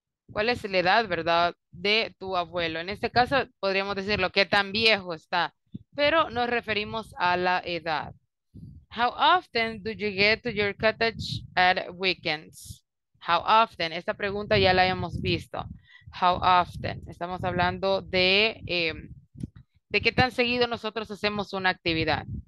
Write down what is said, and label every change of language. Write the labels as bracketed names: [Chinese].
[Spanish] ¿Cuál es la edad, verdad, de tu abuelo? En este caso, podríamos decirlo, ¿qué tan viejo está? Pero nos referimos a la edad. [English] How often do you get to your cottage at weekends? How often? [Spanish] Esta pregunta ya la hemos visto. How often? Estamos hablando de qué tan seguido nosotros hacemos una actividad.